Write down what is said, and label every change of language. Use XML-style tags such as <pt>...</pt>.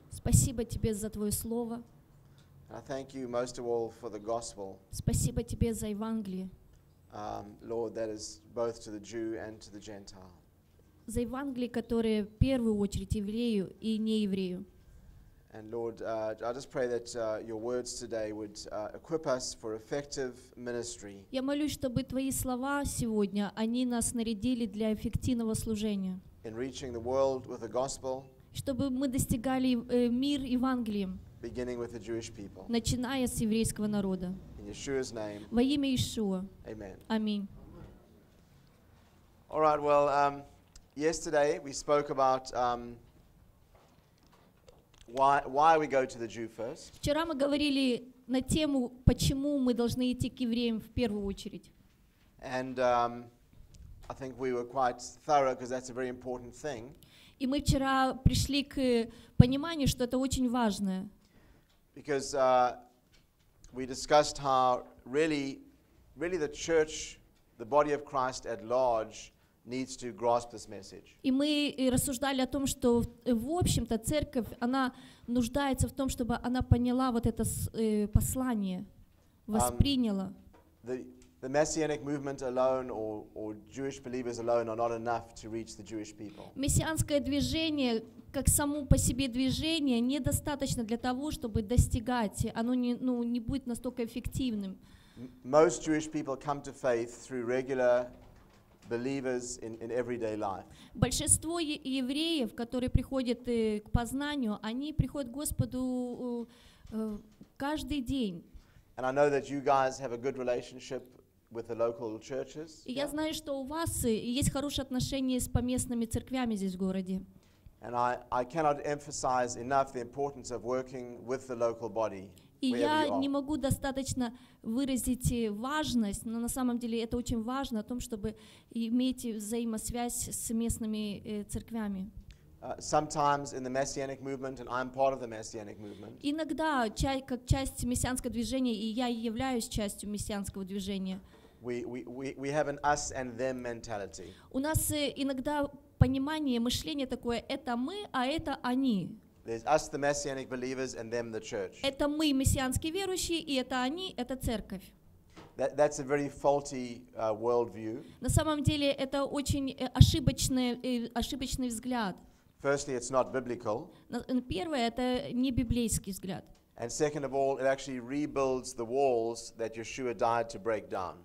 <ru>Спасибо тебе за твое слово.</ru> <en>And I thank you most of all for the gospel.</en> <ru>Спасибо тебе за Евангелие.</ru> <en>Lord, that is both to the Jew and to the Gentile.</en> <ru>За Евангелие, которое в первую очередь еврею и нееврею.</ru> <en>And Lord, I just pray that your words today would equip us for effective ministry.</en> <ru>Я молюсь, чтобы твои слова сегодня, они нас нарядили для эффективного служения.</ru> <en>In reaching the world with the gospel.</en> <ru>Чтобы мы достигали мир Евангелием.</ru> <en>Beginning with the Jewish people.</en> <ru>Начиная с еврейского народа.</ru> <en>In Yeshua's name.</en> <ru>Во имя Иешуа.</ru> <en>Amen.</en> <ru>Аминь.</ru> <en>All right, well, yesterday we spoke about why we go to the Jew first.</en> <ru>Вчера мы говорили на тему, почему мы должны идти к евреям в первую очередь.</ru> <en>And I think we were quite thorough because that's a very important thing.</en> <ru>И мы вчера пришли к пониманию, что это очень важное.</ru> <en>Because we discussed how really the church, the body of Christ at large, needs to grasp this message.</en> <ru>И мы рассуждали о том, что в общем-то церковь, она нуждается в том, чтобы она поняла вот это послание, восприняла.</ru> <en>The messianic movement alone or Jewish believers alone are not enough to reach the Jewish people.</en> <ru>Мессианское движение как само по себе движение недостаточно для того, чтобы достигать, оно не будет настолько эффективным.</ru> <en>Most Jewish people come to faith through regular believers in everyday life.</en> <ru>Большинство евреев, которые приходят к познанию, они приходят к Господу каждый день.</ru> <en>And I know that you guys have a good relationship with the local churches.</en> <ru>И я знаю, что у вас есть хорошие отношения с поместными церквями здесь в городе.</ru> <en>And I cannot emphasize enough the importance of working with the local body.</en> <ru>И я не могу достаточно выразить важность, но на самом деле это очень важно, о том, чтобы иметь взаимосвязь с местными церквями.</ru> <en>Sometimes in the messianic movement, and I'm part of the messianic movement.</en> <ru>Иногда, как часть мессианского движения, и я являюсь частью мессианского движения.</ru> <en>We have an us and them mentality.</en> <ru>У нас иногда понимание, мышление такое: это мы, а это они.</ru> <en>There's us, the messianic believers, and them, the church.</en> <ru>Это мы, мессианские верующие, и это они, это церковь.</ru> <en>That's a very faulty worldview.</en> <ru>На самом деле, это очень ошибочный взгляд.</ru> <en>Firstly, it's not biblical.</en> <ru>Первое, это не библейский взгляд.</ru> <en>And second of all, it actually rebuilds the walls that Yeshua died to break down.</en>